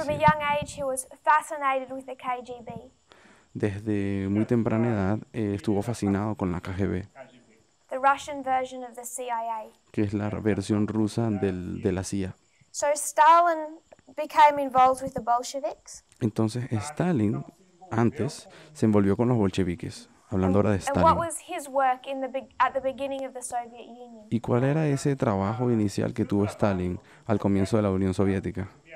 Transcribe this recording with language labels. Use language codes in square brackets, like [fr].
[en] From a young age, he was fascinated with the KGB. [es] Desde muy temprana edad estuvo fascinado con la KGB. [en] The Russian version of the CIA. [es] Que es la versión rusa de la CIA. [en] So Stalin became involved with the Bolsheviks. [es] Entonces Stalin antes se envolvió con los bolcheviques, hablando ahora de Stalin. [en] And what was his work in the at the beginning of the Soviet Union? [es] ¿Y cuál era ese trabajo inicial que tuvo Stalin al comienzo de la Unión Soviética?